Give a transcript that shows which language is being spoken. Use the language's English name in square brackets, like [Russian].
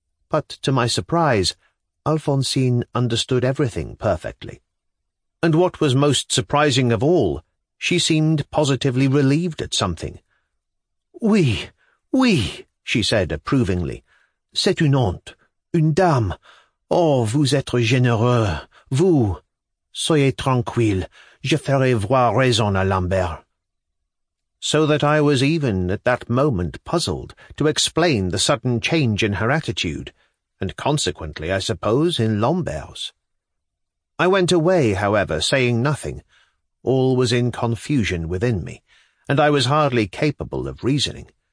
[English] But to my surprise, Alphonsine understood everything perfectly. And what was most surprising of all, she seemed positively relieved at something. Oui, she said approvingly. [French] C'est une honte, une dame. Oh, vous êtes généreux, vous. Soyez tranquille, je ferai voir raison à Lambert. [English] So that I was even at that moment puzzled to explain the sudden change in her attitude, and consequently, I suppose, in Lambert's. I went away, however, saying nothing. All was in confusion within me, and I was hardly capable of reasoning.